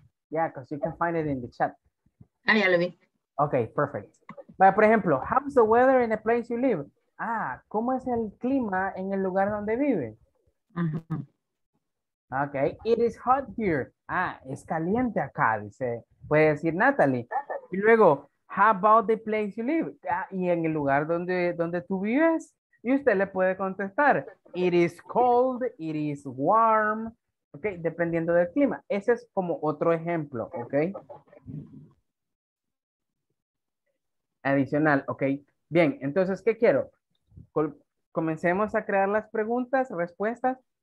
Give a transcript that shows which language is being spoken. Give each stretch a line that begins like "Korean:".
English: Yeah, because you can find it in the chat.
Spanish: Ah, ya lo vi.
English: Okay, perfect. But,
Spanish: por ejemplo,
English: how's the weather in the place you live?
Spanish: Ah, ¿cómo es el clima en el lugar donde vive? Mm-hmm.
English: Okay, it is hot here.
Spanish: Ah, es caliente acá, dice. Puede decir Natalie. Y luego,
English: how about the place you live?
Spanish: Ah, y en el lugar donde tú vives. Y usted le puede contestar.
English: It is cold, it is warm.
Spanish: Ok, dependiendo del clima. Ese es como otro ejemplo, ok. Adicional, ok. Bien, entonces, ¿qué quiero? Comencemos a crear las preguntas, respuestas.